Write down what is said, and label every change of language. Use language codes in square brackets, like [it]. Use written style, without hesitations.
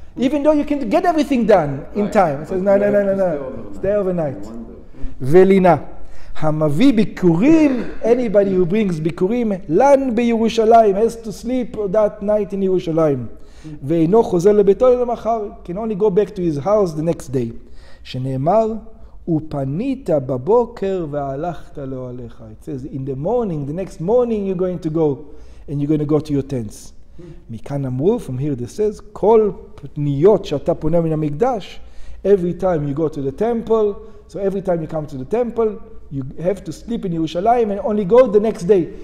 [en] Even though you can get everything done in time. It says, no. Stay overnight. Vilina. Hamavi Bikurim, anybody who brings Bikurim, [he] lan be Yerushalayim, [en] has to sleep that night in Yerushalayim. [he] Ve'eino chozer lebeito lemachar, [en] can only go back to his house the next day. [he] שנאמר, ופנית בבוקר והלכת לאוהליך. [en] It says, in the morning, the next morning you're going to go, and you're going to go to your tents. [he] מכאן אמרו, [en] from here this says, [he] כל פניות שאתה פונה מן המקדש, [en] every time you go to the temple, so every time you come to the temple, you have to sleep in Yerushalayim and only go the next day.